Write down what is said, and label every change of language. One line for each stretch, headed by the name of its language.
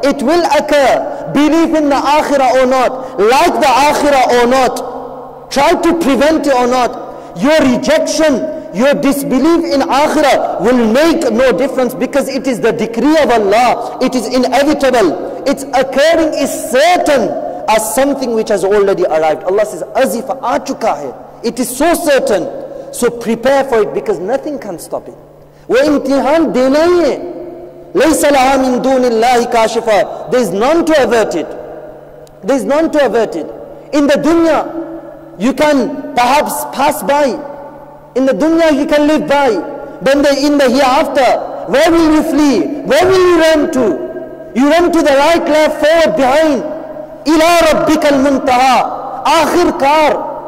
English: It will occur. Believe in the akhirah or not, like the akhirah or not, try to prevent it or not, your rejection, your disbelief in akhirah will make no difference, because it is the decree of Allah. It is inevitable. Its occurring is certain as something which has already arrived. Allah says, azifa
Urdu: aa chuka hai.
English: It is so certain. So prepare for it, because nothing can stop it.
Urdu: وہ امتحان دینا ہی ہے
Arabic: لَيْسَ لَهَا مِن دُونِ اللَّهِ كَاشِفَةً.
English: There is none to avert it. There is none to avert it. In the dunya, you can perhaps pass by. In the dunya, you can live by. But in the hereafter, where will you flee? Where will you run to? You run to the right, left, forward, behind.
Arabic: إِلَىٰ رَبِّكَ الْمُنْتَهَىٰ.
Urdu: آخر کار.